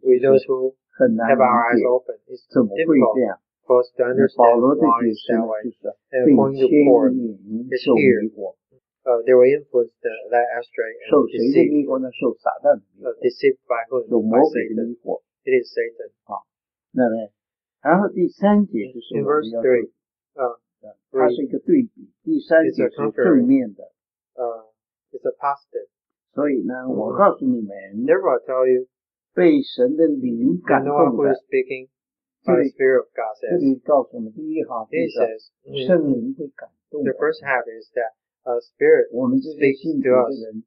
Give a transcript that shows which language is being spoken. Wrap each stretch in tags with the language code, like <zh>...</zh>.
<en>We those who have our eyes open, it's difficult for us to understand why it's that way. And according to Paul, it's here. They were influenced that astray and deceived by whom? By Satan. It is Satan.</en> <zh>然后第三节就是我们要说，它是一个对比，第三节是正面的。</zh> <en>It's a positive.</en> <zh>所以呢，我告诉你们，</zh> <en>Therefore I tell you,</en> <zh>被神的灵感动的。</zh> <en>I know who is speaking by the Spirit of God says.</en> <zh>这里告诉我们第一行，圣灵会感动。</zh> <en>The first half is that a Spirit speaks to us.</en>